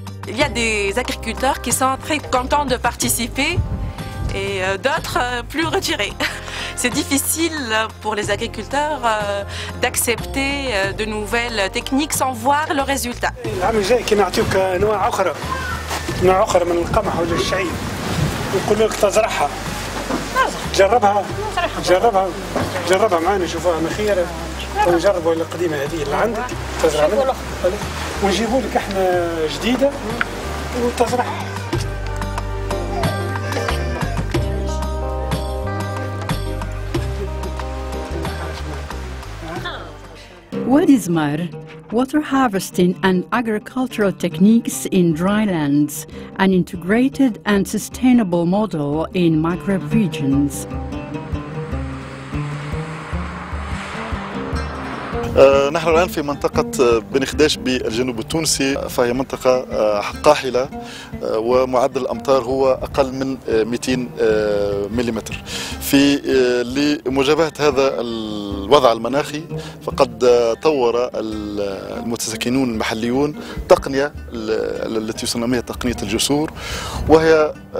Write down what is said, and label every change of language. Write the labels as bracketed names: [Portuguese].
[French] Il y a des agriculteurs qui sont très contents de participer et d'autres plus retirés. C'est difficile pour les agriculteurs d'accepter de nouvelles techniques sans voir le résultat. [Arabic] العام الجاي كي نعطيوك انواع اخرى، نوع اخرى من القمح ولا الشعير، ونقول لك تزرعها. نزرع. جربها جربها جربها معنا نشوفها مخيرة ونجرب القديمة هذه اللي عندك تزرع ونجيبه لك احنا جديدة وتزرع. [English] What is MAR? Water harvesting and agricultural techniques in dry lands, an integrated and sustainable model in Maghreb regions. [Arabic] نحن الآن في منطقة بن خداش بالجنوب التونسي، فهي منطقة قاحلة ومعدل الأمطار هو أقل من 200 مليمتر. في لمجابهة هذا الوضع المناخي فقد طور المتسكنون المحليون تقنية التي يسميها تقنية الجسور، وهي